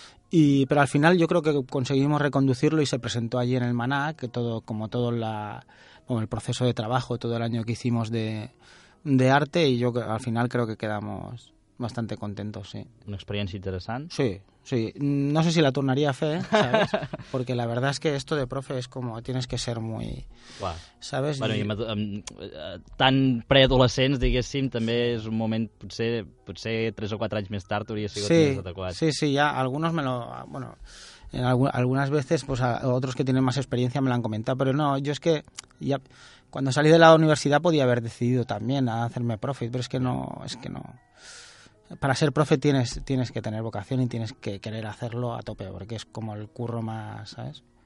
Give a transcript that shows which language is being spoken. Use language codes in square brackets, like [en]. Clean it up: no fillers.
[es] Pero al final yo creo que conseguimos reconducirlo y se presentó allí en el Maná, que todo, como todo como el proceso de trabajo, todo el año que hicimos de arte, y yo al final creo que quedamos bastante contentos, sí. Una experiencia interesante. Sí, sí. No sé si la tornaría a fe, ¿sabes? Porque la verdad es que esto de profe es como, tienes que ser muy... Uau. ¿Sabes? [ca] Bueno, tan preadolescents, diguéssim, també és un moment, potser 3 o 4 anys més tard hauria sigut sí, més adequat. [es] Sí, sí, ya algunos me lo... Bueno, en algunas veces, pues a otros que tienen más experiencia me lo han comentado, pero no, yo es que ya... Cuando salí de la universidad podía haber decidido también a hacerme profe, pero es que no. Para ser profe tienes que tener vocación y tienes que querer hacerlo a tope, porque es como el curro más, ¿sabes?